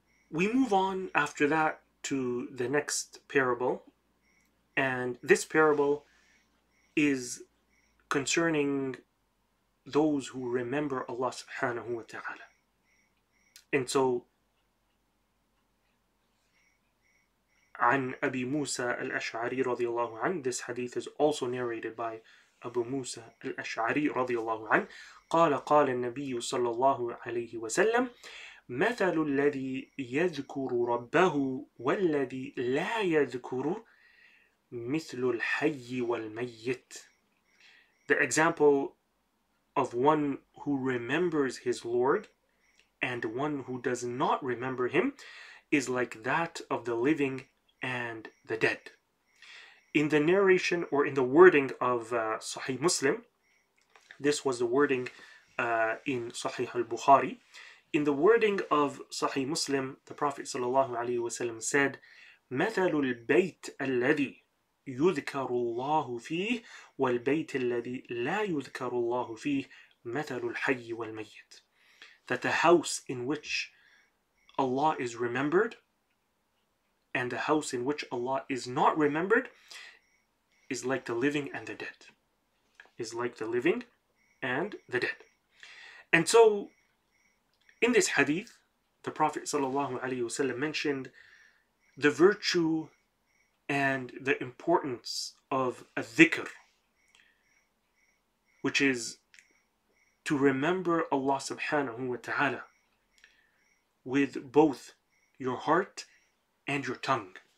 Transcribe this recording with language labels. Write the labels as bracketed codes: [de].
[en] We move on after that to the next parable. And this parable is concerning those who remember Allah subhanahu wa ta'ala. And so, [ar] عن أبي موسى الأشعري رضي الله عنه, [en] this hadith is also narrated by Abu Musa al-Ash'ari [ar] رضي الله عنه, قال النبي صلى الله عليه وسلم, مثل الذي يذكر ربه والذي لا يذكر مثل الحي والميت. [en] The example of one who remembers his Lord and one who does not remember him is like that of the living and the dead. In the narration or in the wording of Sahih Muslim, this was the wording in Sahih al-Bukhari. In the wording of Sahih Muslim, the Prophet sallallahu alaihi wasallam said, [ar] مَثَلُ الْبَيْتِ الَّذِي يُذْكَرُ اللَّهُ فِيهِ وَالْبَيْتِ الَّذِي لَا يُذْكَرُ اللَّهُ فِيهِ مَثَلُ الْحَيِّ وَالْمَيِّتِ. [en] That the house in which Allah is remembered and the house in which Allah is not remembered is like the living and the dead. Is like the living and the dead. And so, in this hadith, the Prophet ﷺ mentioned the virtue and the importance of a dhikr, which is to remember Allah subhanahu wa ta'ala with both your heart and your tongue.